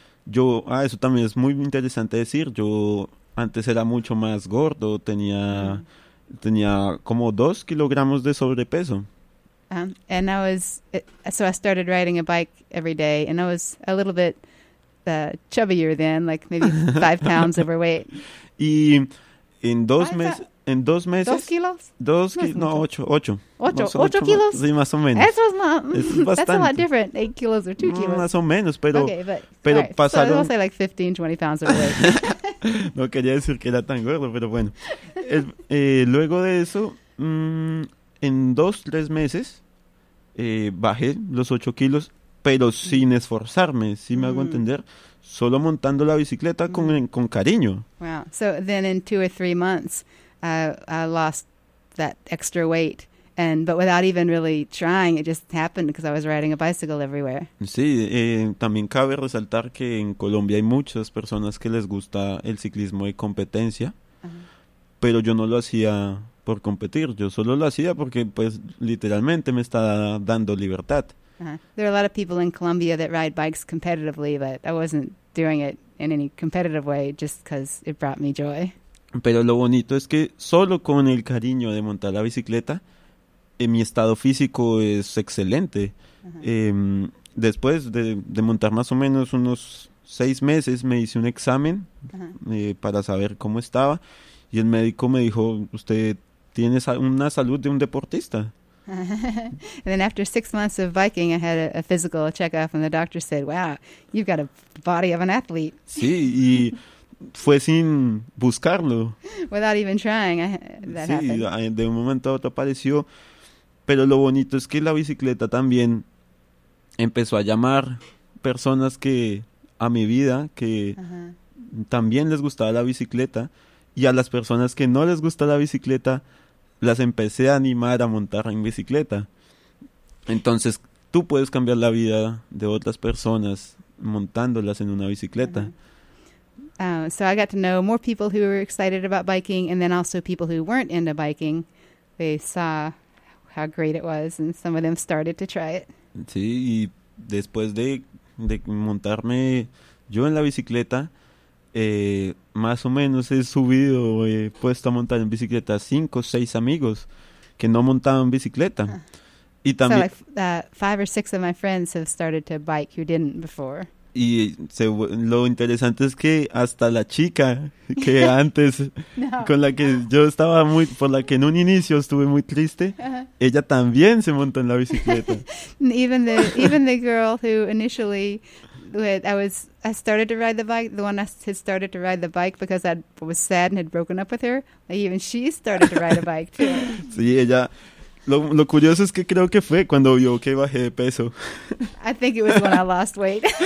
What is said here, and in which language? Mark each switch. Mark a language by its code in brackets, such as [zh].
[es] Eso también es muy interesante decir. Yo antes era mucho más gordo, tenía como 2 kilogramos de sobrepeso. [en] And I was, so I started riding a bike every day, and I was a little bit chubbier then, like maybe 5 pounds overweight. [es] Y en dos meses. En 2 meses. 2 kilos? Ocho. Ocho kilos? Sí, más o menos. Eso es más. [en] That's a lot different. 8 kilos or 2 kilos. [es] Más o menos, pero. Pero right. Pasaron. [en] So I was going to say like 15, 20 pounds of weight. [es] No quería decir que era tan gordo, pero bueno. Luego de eso, en 2, 3 meses, bajé los 8 kilos, pero sin esforzarme, si me hago entender. Solo montando la bicicleta con cariño. [en] Wow. So then in 2 or 3 months. I lost that extra weight, but without even really trying, it just happened because I was riding a bicycle everywhere. [es] Sí, también cabe resaltar que en Colombia hay muchas personas que les gusta el ciclismo de competencia, pero yo no lo hacía por competir, yo solo lo hacía porque pues literalmente me está dando libertad. [en] There are a lot of people in Colombia that ride bikes competitively, but I wasn't doing it in any competitive way just because it brought me joy. [es] Pero lo bonito es que solo con el cariño de montar la bicicleta, mi estado físico es excelente. Uh-huh. Después de montar más o menos unos 6 meses, me hice un examen para saber cómo estaba. Y el médico me dijo, usted tiene una salud de un deportista. [en] And then after 6 months of biking, I had a physical checkup and the doctor said, wow, you've got a body of an athlete. [es] Sí, y... Fue sin buscarlo. [en] Without even trying, that happened. [es] Sí, de un momento a otro apareció. Pero lo bonito es que la bicicleta también empezó a llamar personas que a mi vida, que también les gustaba la bicicleta. Y a las personas que no les gusta la bicicleta, las empecé a animar a montar en bicicleta. Entonces, tú puedes cambiar la vida de otras personas montándolas en una bicicleta. Uh-huh. [en] So I got to know more people who were excited about biking, and then also people who weren't into biking. They saw how great it was, and some of them started to try it. [es] Sí, y después de montarme yo en la bicicleta, más o menos he subido, he puesto a montar en bicicleta 5 o 6 amigos que no montaban bicicleta. Y también, [en] so like 5 or 6 of my friends have started to bike who didn't before. [es] Y lo interesante es que hasta la chica que antes, con la que yo estaba muy, por la que en un inicio estuve muy triste, ella también se montó en la bicicleta. [en] even the girl who initially, I started to ride the bike, the one I had started to ride the bike because I was sad and had broken up with her, even she started to ride a bike too. [es] Sí, ella... Lo curioso es que creo que fue cuando vio que bajé de peso. [en] I think it was when I lost weight.